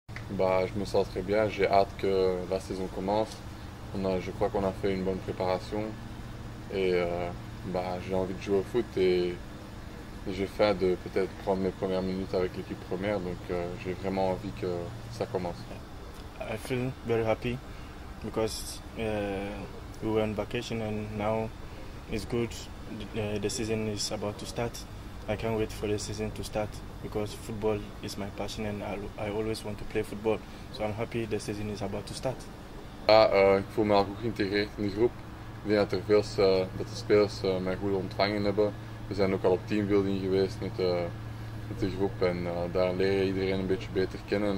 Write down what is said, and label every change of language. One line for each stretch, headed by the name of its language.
French: Bah, je me sens très bien, j'ai hâte que la saison commence. Je crois qu'on a fait une bonne préparation et bah, j'ai envie de jouer au foot et j'ai faim de peut-être prendre mes premières minutes avec l'équipe première, donc j'ai vraiment envie que ça commence.
English: I feel very happy because we were on vacation and now it's good. The season is about to start. I can't wait for the season to start because football is my passion and I always want to play football. So I'm happy the season is about to start.
Dutch: Ik voel me al goed geïntegreerd in de groep. Ik denk dat er veel spelers mij goed ontvangen hebben. We zijn ook al op teambuilding geweest met de groep en daar leer je iedereen een beetje beter kennen.